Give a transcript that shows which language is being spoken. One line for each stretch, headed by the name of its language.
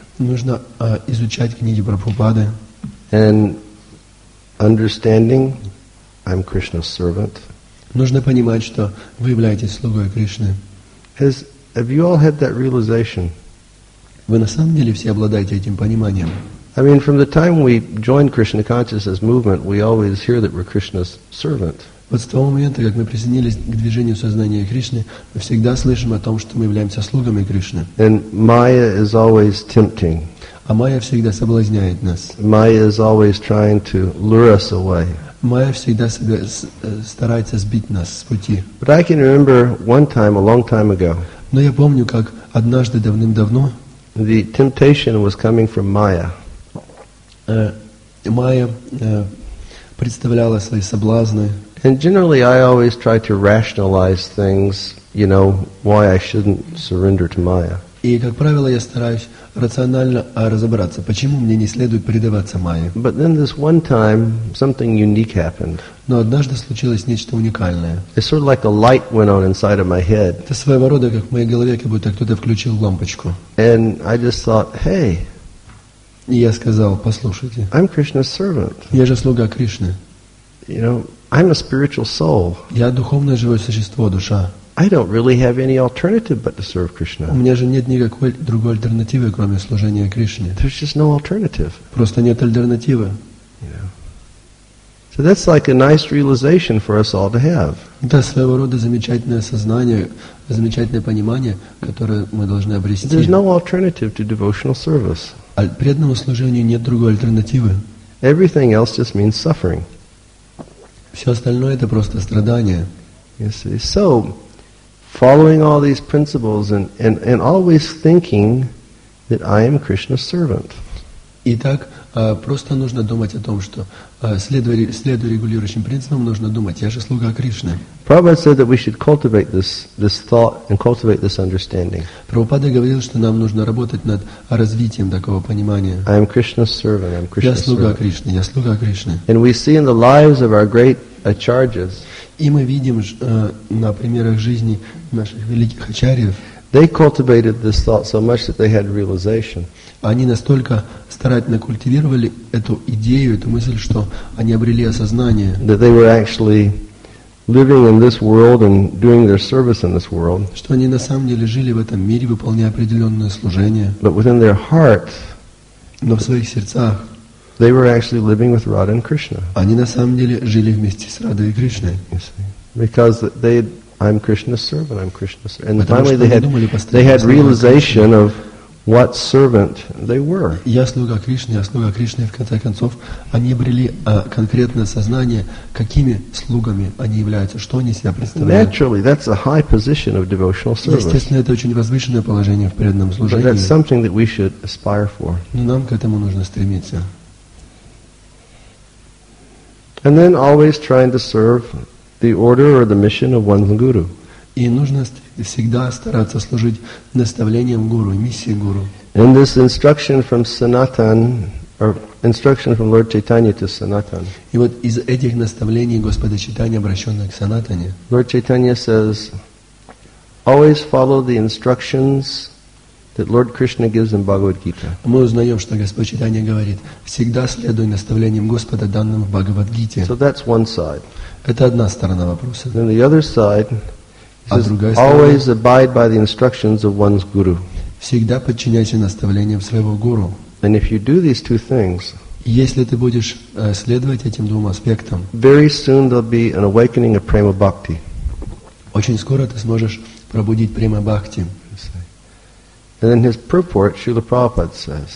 Russian: Нужно изучать книги Прабхупады.
English: And understanding, I'm Krishna's servant.
Russian: Нужно понимать, что вы являетесь слугой Кришны.
English: Have you all had that realization?
Russian: Вы на самом деле все обладаете этим пониманием?
English: I mean, from the time we joined Krishna Consciousness Movement, we always hear that we're Krishna's servant.
Russian: Вот с того момента, как мы присоединились к движению сознания Кришны, мы всегда слышим о том, что мы являемся слугами Кришны.
English: And Maya is always tempting.
Russian: А Майя всегда соблазняет нас.
English: Maya is always trying to lure us away.
Russian: Майя всегда старается сбить нас с пути.
English: But I can remember one time, a long time ago.
Russian: Но я помню, как однажды давным-давно.
English: The temptation was coming from Maya.
Russian: Майя представляла свои соблазны.
English: And generally I always try to rationalize things, you know, why I shouldn't surrender to Maya.
Russian: И, как правило, я стараюсь рационально разобраться, почему мне не следует предаваться Майе.
English: But then this one time, something unique happened.
Russian: Но однажды случилось нечто уникальное.
English: It's sort of like a light went on inside of my head.
Russian: Это своего рода, как в моей голове, как будто кто-то включил лампочку.
English: And I just thought, hey,
Russian: и я сказал, послушайте.
English: I'm Krishna's servant.
Russian: Я же слуга Кришны.
English: You know, I'm a spiritual soul.
Russian: Я духовное живое существо, душа.
English: I don't really have any alternative but to serve Krishna.
Russian: У меня же нет никакой другой альтернативы, кроме служения Кришне.
English: There's just no alternative.
Russian: Просто нет альтернативы.
English: So that's like a nice realization for us all to have.
Russian: Это своего рода замечательное сознание, замечательное понимание, которое мы должны обрести.
English: There's no alternative to devotional service.
Russian: Преданному служению нет другой альтернативы.
English: Everything else just means suffering.
Russian: Все остальное это просто страдание.
English: You see? So, following all these principles and always thinking that I am Krishna's servant.
Russian: Итак, просто нужно думать о том, что следуя регулирующим принципам, нужно думать, я же слуга Кришны.
English: Prabhupada said that we should cultivate this thought and cultivate this understanding.
Russian: Прабхупада говорил, что нам нужно работать над развитием такого понимания.
English: I am Krishna's servant. I'm Krishna's
Russian: я слуга
English: servant.
Russian: Кришны. Я слуга Кришны.
English: And we see in the lives of our great acharyas.
Russian: И мы видим на примерах жизни наших великих ачарьев.
English: They cultivated this thought so much that they had realization.
Russian: Они настолько старательно культивировали эту идею, эту мысль, что они обрели осознание.
English: That they were actually living in this world and doing their service in this world.
Russian: Что они на самом деле жили в этом мире, выполняя определенное служение.
English: But within their heart.
Russian: Но в своих сердцах.
English: They were actually living with Radha and Krishna.
Russian: Они на самом деле жили вместе с Радой и Кришной.
English: Because they I'm Krishna's servant. I'm Krishna's servant. And
Russian: потому
English: finally, they had realization of what servant they were.
Russian: Я слуга Кришны. Я слуга Кришны. В конце концов, они обрели конкретное сознание, какими слугами они являются, что они себя представляют.
English: Naturally, that's a high position of devotional service.
Russian: Естественно, это очень возвышенное положение в преданном служении.
English: But that's something that we should aspire for.
Russian: Но нам к этому нужно стремиться.
English: And then always trying to serve the order or the mission of one's guru.
Russian: И нужно всегда стараться служить наставлением гуру, миссии гуру.
English: And this instruction from Sanatan, or instruction from Lord Chaitanya to Sanatan.
Russian: И вот из этих наставлений Господа Чайтаньи, обращенных к Санатане.
English: Lord Chaitanya says, always follow the instructions that Lord Krishna gives in Bhagavad Gita.
Russian: Мы узнаем, что Господь Чайтанья говорит, всегда следуй наставлениям Господа, данным в Бхагавад Гите.
English: So that's one side.
Russian: Это одна сторона вопроса.
English: Then the other side, says,
Russian: другая сторона,
English: always abide by the instructions of one's guru.
Russian: Всегда подчиняйся наставлениям своего гуру.
English: And if you do these two things,
Russian: если ты будешь следовать этим двум аспектам,
English: very soon there'll be an awakening of prema bhakti.
Russian: Очень скоро ты сможешь пробудить према-бхакти.
English: And in his purport, Srila Prabhupada says,